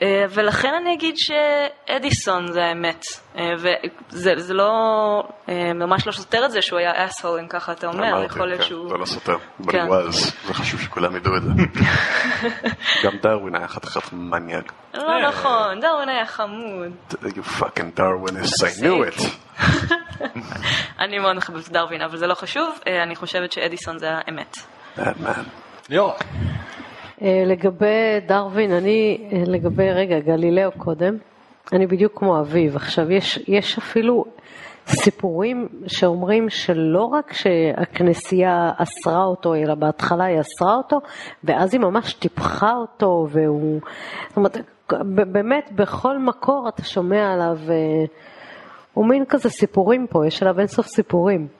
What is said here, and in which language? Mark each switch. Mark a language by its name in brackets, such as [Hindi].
[Hebrew] ולכן אני אגיד שאדיסון זה האמת, וזה זה לא, ממש לא סותר את זה שהוא היה אסהול, אם ככה אתה אומר. אמרתי, כן, שהוא... זה לא סותר, אבל הוא אז, זה חשוב שכולם ידעו את זה. גם דרווין היה חתיכת מניאק. לא נכון, דרווין היה חמוד. [English] You fucking Darwinists, I knew it. [Hebrew] אני מאוד מחבבת דרווין, אבל זה לא חשוב, אני חושבת שאדיסון זה האמת. [English] That man. [Hebrew] יורק. לגבי דרווין, אני לגבי רגע גלילאו קודם, אני בדיוק כמו אביב. עכשיו יש אפילו סיפורים שאומרים שלא רק שהכנסייה אסרה אותו, אלא בהתחלה היא אסרה אותו ואז היא ממש טיפחה אותו, והוא, זאת אומרת, באמת בכל מקור אתה שומע עליו, הוא מין כזה סיפורים פה, יש עליו אינסוף סיפורים.